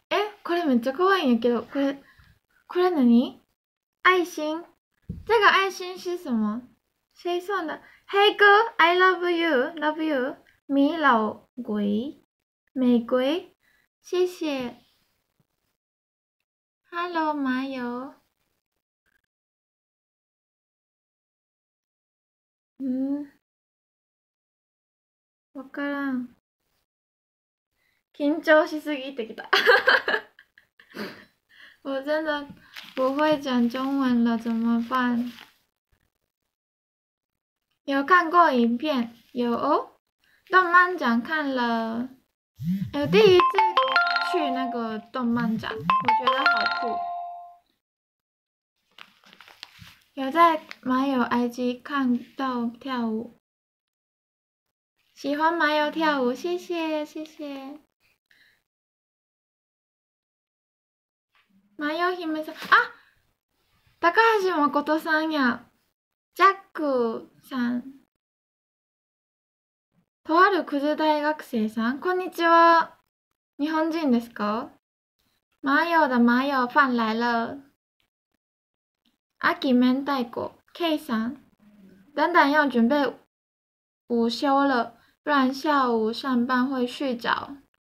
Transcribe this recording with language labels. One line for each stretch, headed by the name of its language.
Japanese: え、これめっちゃ可愛いんやけど、これ何？
Chinese: 愛心？这个愛心是什么？谁送的？
English: 黑哥 ，I love you, love you。
Chinese: 米老鬼，玫瑰，谢谢。
English: Hello， 麻油。
Japanese: 嗯，わからん。緊張しすぎてきた。
Chinese: 我真的不会讲中文了，怎么办？有看过影片，有哦。动漫展看了，我第一次去那个动漫展，我觉得好酷。有在麻友 IG 看到跳舞，喜欢麻友跳舞，谢谢谢谢。
Japanese: 麻友姫さん啊，高橋真琴さんや、ジャックさん、とあるクズ大学生さん、こんにちは。日本人ですか？
Chinese: 麻友的麻友ファン来了。阿基明太古 K 三，等等要准备午休了，不然下午上班会睡着。